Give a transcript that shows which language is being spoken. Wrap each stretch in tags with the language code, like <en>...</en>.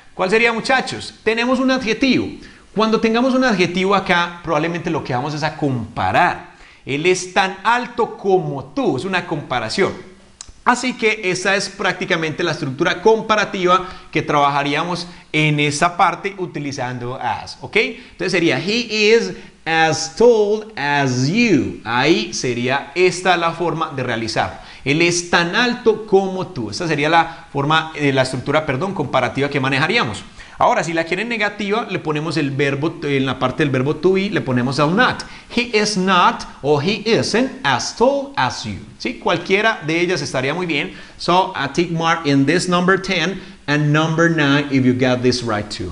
<es>¿Cuál sería, muchachos? Tenemos un adjetivo. Cuando tengamos un adjetivo acá, probablemente lo que vamos es a comparar. Él es tan alto como tú. Es una comparación. Así que esa es prácticamente la estructura comparativa que trabajaríamos en esa parte utilizando as. ¿Ok? Entonces sería,</es> <en>he is as tall as you.</en> <es>Ahí sería esta la forma de realizar. Él es tan alto como tú. Esta sería la forma, la estructura, perdón, comparativa que manejaríamos. Ahora, si la quieren negativa, le ponemos el verbo, en la parte del verbo to be, le ponemos el not.</es> <en>He is not o he isn't as tall as you.</en> <es>¿Sí? Cualquiera de ellas estaría muy bien.</es> <en>So, a tick mark in this number 10 and number 9 if you got this right too.</en>